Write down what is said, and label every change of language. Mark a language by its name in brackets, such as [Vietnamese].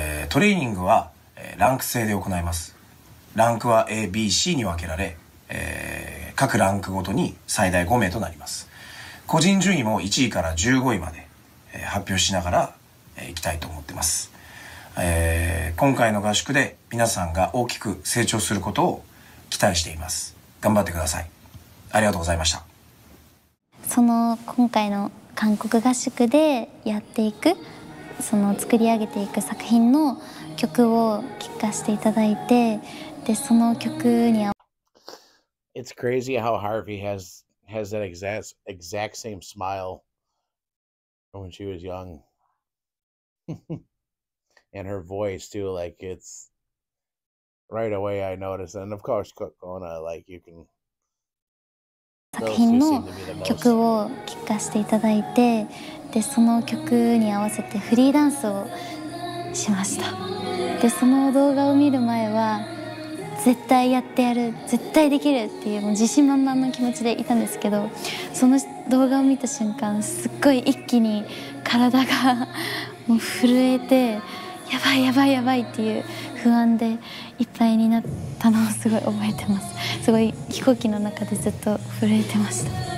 [Japanese] トレーニングは、ランク制で行いますランクは A、B、C に分けられ、各ランクごとに最大5名となります個人順位も1位から15位まで、発表しながら、いきたいと思ってます、今回の合宿で皆さんが大きく成長することを期待しています頑張ってくださいありがとうございましたその今回の韓国合宿でやっていくその作り上げていく作品の曲を聴かせていただいて、でその曲に [English] It's crazy how Harvey has that exact same smile from when she was young. And her voice too, like it's right away I noticed. And of course, Kokona, like you can [Japanese] 作品の曲を聴かせていただいて。でその曲に合わせてフリーダンスをしましたでその動画を見る前は絶対やってやる絶対できるってい う, もう自信満々の気持ちでいたんですけどその動画を見た瞬間すっごい一気に体がもう震えてやばいやばいやばいっていう不安でいっぱいになったのをすごい覚えてますすごい飛行機の中でずっと震えてました